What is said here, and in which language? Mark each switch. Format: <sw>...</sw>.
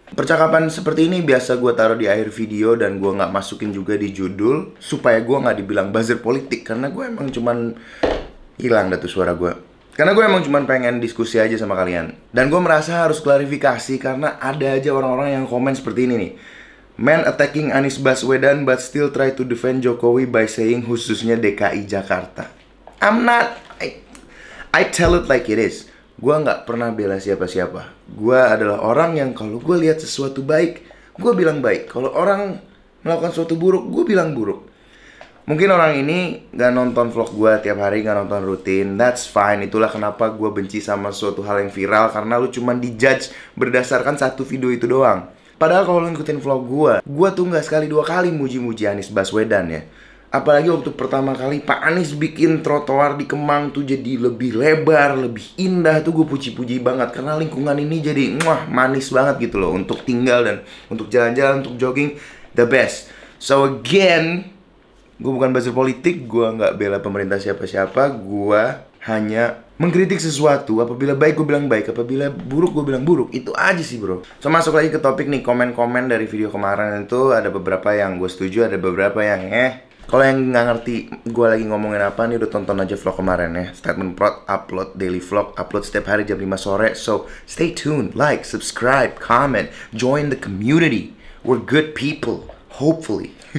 <id>Percakapan seperti ini biasa gue taruh di akhir video dan gue gak masukin juga di judul. Supaya gue gak dibilang buzzer politik, karena gue emang cuman... Hilang dah tuh suara gue. Karena gue emang cuman pengen diskusi aja sama kalian. Dan gue merasa harus klarifikasi karena ada aja orang-orang yang komen seperti ini nih.</id> <en>Man attacking Anies Baswedan but still try to defend Jokowi by saying</en> <id>khususnya DKI Jakarta.</id> <en>I'm not, I tell it like it is.</en> <id>Gua gak pernah bela siapa-siapa. Gua adalah orang yang kalau gua lihat sesuatu baik, gua bilang baik. Kalau orang melakukan sesuatu buruk, gua bilang buruk. Mungkin orang ini gak nonton vlog gua tiap hari, gak nonton rutin.</id> <en>That's fine,</en> <id>itulah kenapa gua benci sama suatu hal yang viral. Karena lu cuma dijudge berdasarkan satu video itu doang. Padahal kalau lu ngikutin vlog gua tuh gak sekali dua kali muji-muji Anies Baswedan ya. Apalagi waktu pertama kali Pak Anies bikin trotoar di Kemang tuh jadi lebih lebar, lebih indah tuh gue puji-puji banget. Karena lingkungan ini jadi muah, manis banget gitu loh untuk tinggal dan untuk jalan-jalan, untuk jogging,</id> <en>the best.</en> <id>So again, gue bukan buzzer politik, gue gak bela pemerintah siapa-siapa. Gue hanya mengkritik sesuatu, apabila baik gue bilang baik, apabila buruk gue bilang buruk, itu aja sih bro. So masuk lagi ke topik nih, komen-komen dari video kemarin itu ada beberapa yang gue setuju, ada beberapa yang kalau yang gak ngerti gue lagi ngomongin apa nih, udah tonton aja vlog kemarin ya. Statement prod, upload daily vlog, upload setiap hari jam 5 sore.</id> <en>So stay tuned, like, subscribe, comment, join the community. We're good people, hopefully.</en>